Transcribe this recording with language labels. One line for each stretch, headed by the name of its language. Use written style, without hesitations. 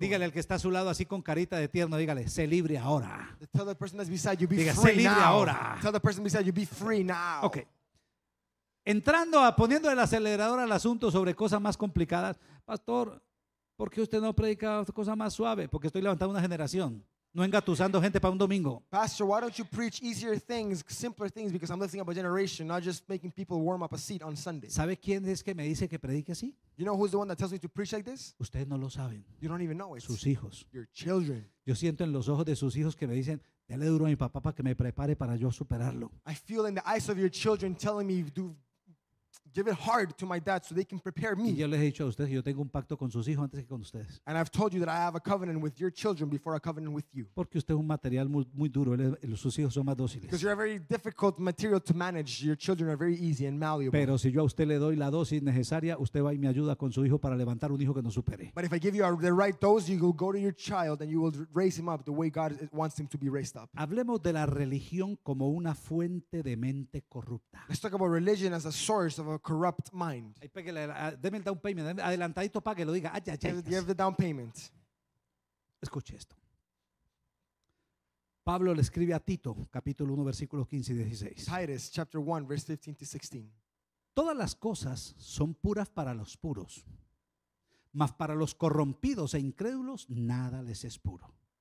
Spanish: Dígale al que está a su lado así con carita de tierno, dígale, sé libre ahora.
English: Tell the person that's beside you, be free now.
Spanish: Sé libre ahora.
English: Tell the person beside you, be free now. Okay.
Spanish: Entrando a poniendo el acelerador al asunto sobre cosas más complicadas, pastor, ¿por qué usted no predica cosas más suaves? Porque estoy levantando una generación. No engatusando gente para un domingo.
English: Pastor, why don't you preach easier things, simpler things, because I'm lifting up a generation, not just making people warm up a seat on Sunday.
Spanish: ¿Sabe quién es que me dice que predique así?
English: You know who's the one that tells me to preach like this?
Spanish: Ustedes no lo saben.
English: You don't even know it.
Spanish: Sus hijos.
English: Your children.
Spanish: Yo siento en los ojos de sus hijos que me dicen, dale duro a mi papá para que me prepare para yo superarlo.
English: I feel in the eyes of your children telling me, do give it hard to my dad so they can prepare me.
Spanish: Y yo les he dicho a ustedes que yo tengo un pacto con sus hijos antes que con ustedes.
English: And I've told you that I have a covenant with your children before a covenant with you.
Spanish: Porque usted es un material muy, muy duro. Sus hijos son más dóciles.
English: Because you're a very difficult material to manage. Your children are very easy and malleable.
Spanish: Pero si yo a usted le doy la dosis necesaria, usted va y me ayuda con su hijo para levantar un hijo que no supere.
English: But if I give you the right dose, you will go to your child and you will raise him up the way God wants him to be raised up.
Spanish: Hablemos de la religión como una fuente de mente corrupta.
English: Let's talk about religion as a source of a corrupt mind.
Spanish: Ahí pégale, deme el
English: down payment,
Spanish: adelantadito para que lo diga. Ay, ay, ay.
English: You have the down payment.
Spanish: Escuche esto. Pablo le escribe a Tito, capítulo 1, versículo 15 y 16.
English: Titus, chapter 1, verse 15 to 16.
Spanish: Todas las cosas son puras para los puros, mas para los corrompidos e incrédulos nada les es puro.